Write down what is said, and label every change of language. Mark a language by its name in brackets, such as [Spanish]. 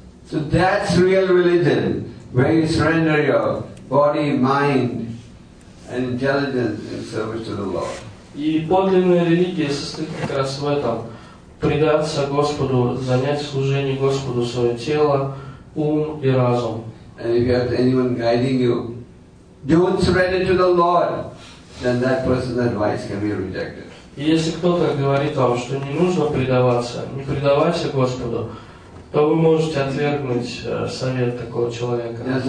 [English] So that's real religion, where you surrender your body, mind, and intelligence in service to the Lord. [Russian] И подлинная религия состоит как раз в этом: предаться Господу, занять служение Господу свое тело, ум и разум. [English] And if you have anyone guiding you, don't surrender to the Lord. Then that person's advice can be rejected. [Russian] И если кто-то говорит вам, что не нужно предаваться, не предавайся Господу, то вы можете отвергнуть совет такого человека.